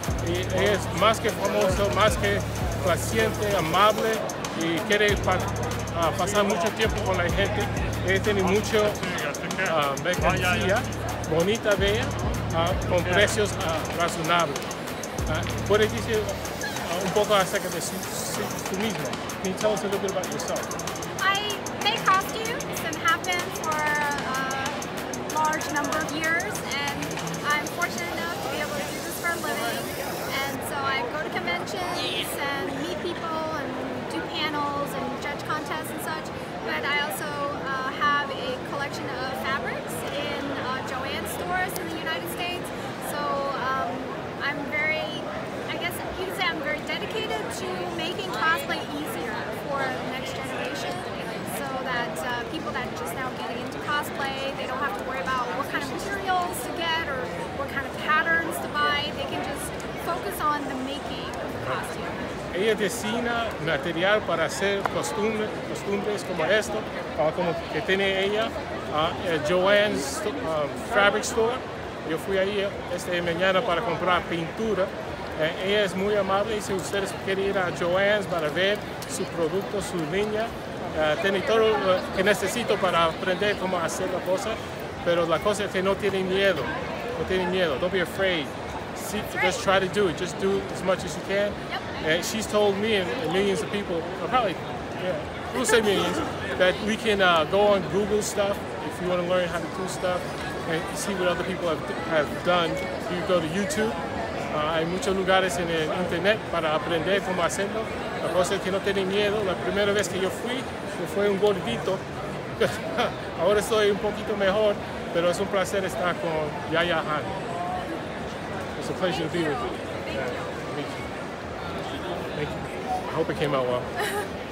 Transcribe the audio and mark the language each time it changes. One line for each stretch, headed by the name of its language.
Spanish: Y ella es más que famosa, más que paciente, amable, y quiere pasar mucho tiempo con la gente. Ella tiene mucho mercancía, bonita, bella, con precios razonables. ¿Puedes decir un poco acerca de tú mismo?
English: Can you tell us a little bit about yourself? I make costumes and have been for a large number of years, and I'm fortunate enough to be able to do this for a living. And so I go to conventions and meet people and do panels and judge contests and such. But I also have a collection of fabrics in Joann's stores in the United States. So I'm very, I guess you could say I'm very dedicated to making cosplay easier for the next generation, so that people that are just now getting into cosplay, they don't have to worry about what kind of materials to get or what kind of patterns to buy. They can just focus on the making of the costume.
Spanish: Ella designa material para hacer costumbres como esto, como que tiene ella, Joann's Fabric Store. Yo fui ahí esta mañana para comprar pintura. Ella es muy amable y si ustedes quieren ir a Joann's para ver su producto, su línea, tiene todo lo que necesito para aprender cómo hacer la cosa, pero la cosa es que no tiene miedo, no tiene miedo.
English: Don't be afraid. Just try to do it. Just do as much as you can. Yep. And she's told me and millions of people, or probably, we'll say millions, that we can go on Google stuff if you want to learn how to do stuff and see what other people have done. You go to YouTube.
Spanish: Hay muchos lugares en el internet para aprender cómo hacerlo. La cosa es que no tenía miedo. La primera vez que yo fui un gordito. Ahora estoy un poquito mejor, pero es un placer estar con Yaya Han.
English: It's a pleasure to be with you. Thank you. Thank you. I hope it came out well.